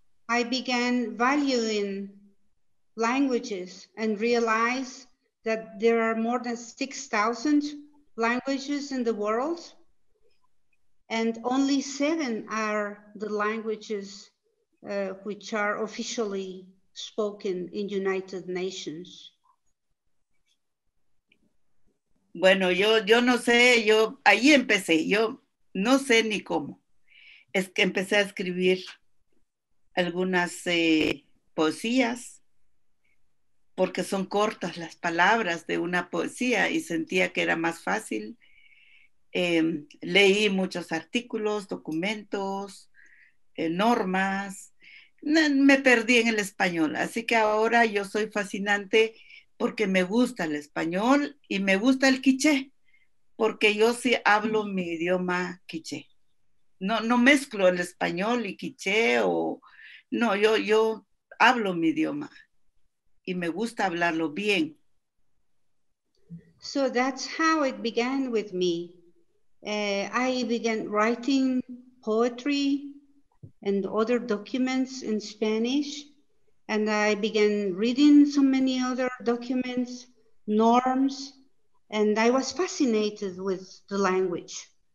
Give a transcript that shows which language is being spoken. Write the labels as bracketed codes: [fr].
[en] I began valuing languages and realized that there are more than 6,000 languages in the world, and only 7 are the languages which are officially spoken in United Nations. [es] Bueno, yo no sé, yo ahí empecé, yo no sé ni cómo. Es que empecé a escribir algunas poesías, porque son cortas las palabras de una poesía y sentía que era más fácil. Leí muchos artículos, documentos, normas. Me perdí en el español, así que ahora yo soy fascinante porque me gusta el español y me gusta el quiché, porque yo sí hablo mi idioma quiché. No mezclo el español y quiché, o no, yo hablo mi idioma y me gusta hablarlo bien. [en] So that's how it began with me. I began writing poetry and other documents in Spanish, and I began reading so many other documents, norms, and I was fascinated with the language.